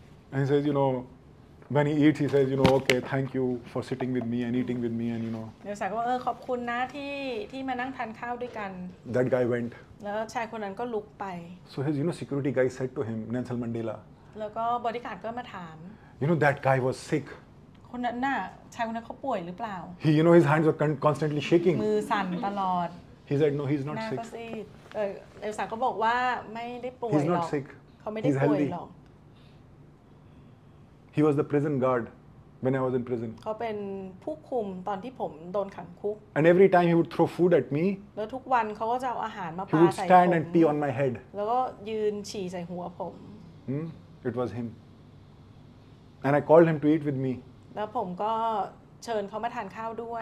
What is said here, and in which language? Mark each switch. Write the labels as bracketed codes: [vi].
[en] And he says you know when he eats he says you know okay thank you for sitting with me and eating with me and you know [th] เนลสันก็บอกขอบคุณนะที่มานั่งทานข้าวด้วยกัน [en] That guy went [th] แล้วชายคนนั้นก็ลุกไป [en] So his you know security guy said to him Nelson Mandela [th] แล้วก็บอดี้การ์ดก็มาถาม [en] You know that guy was sick [th] คนนั้นน่ะชายคนนั้นเขาป่วยหรือเปล่า [en] He you know his hands were constantly shaking [th] มือสั่นตลอด [en] He said no he's not sick [th] เอลซ่าก็บอกว่าไม่ได้ป่วยหรอก [en] He's not sick. [th] เขาไม่ได้ป่วยหรอก [en] He was the prison guard when I was in prison. [th] เขาเป็นผู้คุมตอนที่ผมโดนขังคุก [en] And every time he would throw food at me. [th] แล้วทุกวันเขาก็จะเอาอาหารมาปาใส่ผ [en] ม He would stand and pee on my head. [th] แล้วก็ยืนฉี่ใส่หัวผม [en] It was him. And I called him to eat with me. [th] แล้วผมก็เชิญเขามาทานข้าวด้วย